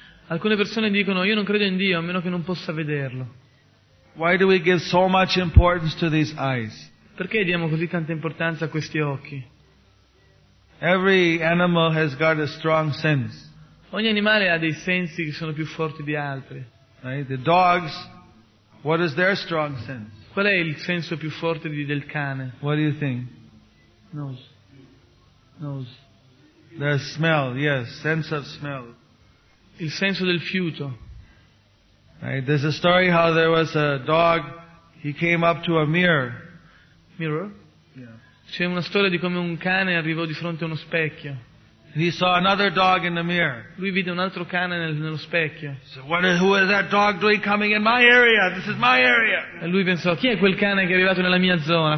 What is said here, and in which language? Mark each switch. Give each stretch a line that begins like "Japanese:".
Italian: Alcune persone dicono, io non credo in Dio a meno che non possa vederlo.
English: Why do we give so much importance to these eyes?
Italian: Perché diamo così tanta importanza a questi occhi?
English: Every animal has got a strong sense.
Italian: Ogni animale ha dei sensi che sono più forti di altri.
English: Right? The dogs, what is their strong sense?
Italian: Qual è il senso più forte del cane?
English: What do you think? Nose. Their smell, yes, sense of smell.
Italian: Il senso del fiuto.
English: Right. There's a story how there was a dog. He came up to a mirror. Mirror? Yeah.
Italian: C'è una storia di come un cane arrivò di fronte a uno specchio.
English: He saw another dog in the mirror.
Italian: Lui vide un altro cane nello specchio.
English: So what is, who is that dog doing coming in my area? This is my area.
Italian: E lui pensò, chi è quel cane che è arrivato nella mia zona?